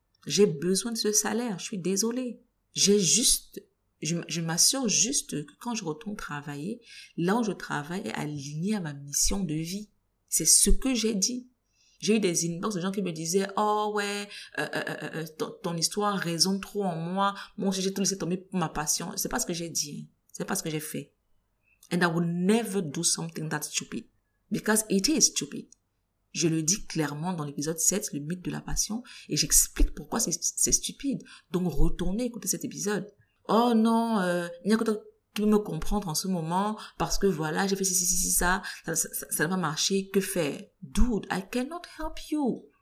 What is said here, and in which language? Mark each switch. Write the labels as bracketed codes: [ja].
[fr] J'ai besoin de ce salaire, je suis désolée. Je m'assure juste que quand je retourne travailler, là où je travaille est aligné à ma mission de vie. C'est ce que j'ai dit. J'ai eu des inbox de gens qui me disaient « Oh ouais, ton histoire résonne trop en moi. Moi, j'ai tout laissé tomber pour ma passion. » C'est pas ce que j'ai dit. Hein. C'est pas ce que j'ai fait. [en] And I will never do something that's stupid. Because it is stupid. [fr] Je le dis clairement dans l'épisode 7, le mythe de la passion, et j'explique pourquoi c'est stupide. Donc, retournez écouter cet épisode. « Oh non, il n'y a que toi qui peux me comprendre en ce moment, parce que voilà, j'ai fait ça n'a pas marché, que faire ?»« [en] Dude, I cannot help you !»